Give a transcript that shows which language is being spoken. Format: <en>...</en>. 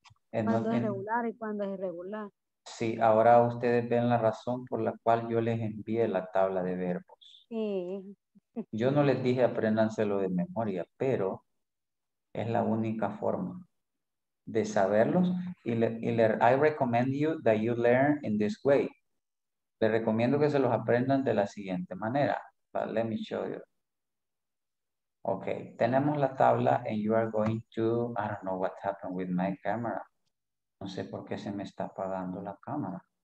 <es>Cuando es regular y cuando es irregular. Sí, ahora ustedes ven la razón por la cual yo les envié la tabla de verbos. Sí. Yo no les dije apréndanselo de memoria, pero es la única forma de saberlos.</es> <en>I recommend you that you learn in this way.</en> <es>Le recomiendo que se los aprendan de la siguiente manera.</es> <en>But let me show you. Okay,</en> <es>tenemos la tabla</es> <en>and you are going to, I don't know what happened with my camera.</en> <es>No sé por qué se me está apagando la cámara.</es>